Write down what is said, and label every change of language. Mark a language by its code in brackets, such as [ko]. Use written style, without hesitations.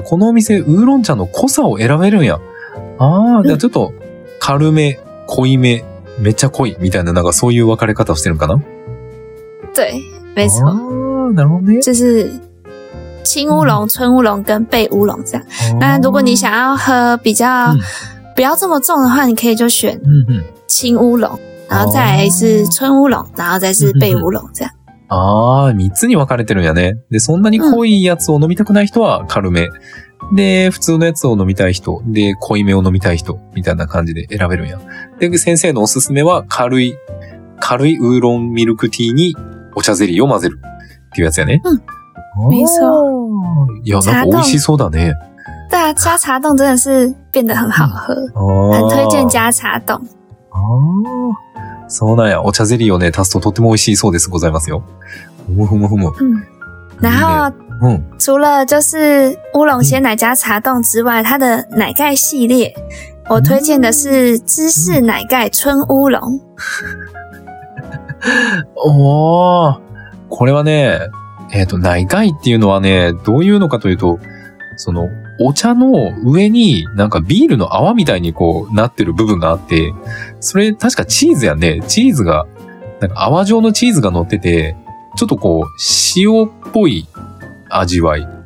[ja] このお店、ウーロン茶の濃さを選べるんや。ああ、じゃあちょっと、軽め、濃いめ、めっちゃ濃い、みたいな、なんかそういう分かれ方をしてるんかな？ [zh] 对、没错。 [ja] なるほどね。 [zh] 就是、青乌龙、春乌龙跟焙乌龙这样。那如果你想要喝比较、不要这么重的话、你可以就选、青乌龙、然后再来是春乌龙、然后再是焙乌龙这样。 [ja] ああ、三つに分かれてるんやね。で、そんなに濃いやつを飲みたくない人は軽め。で、普通のやつを飲みたい人。で、濃いめを飲みたい人。みたいな感じで選べるんや。で、先生のおすすめは軽いウーロンミルクティーにお茶ゼリーを混ぜる。っていうやつやね。うん。そう。いや、なんか美味しそうだね。 [zh] だ、加茶丼真的是变得很好喝。很推荐加茶丼。 [ja] そうなんや。お茶ゼリーをね、足すととても美味しいそうですございますよ。ふむふむふむ。 [zh] 然后、除了就是乌龙鲜奶加茶冻之外、它的奶盖系列、我推荐的是芝士奶盖春乌龙。 [ja] おー、これはね、奶盖っていうのはね、どういうのかというと、その、お茶の上になんかビールの泡みたいにこうなってる部分があって、それ確かチーズやんね。チーズが、なんか泡状のチーズが乗ってて、ちょっとこう塩っぽい味わい。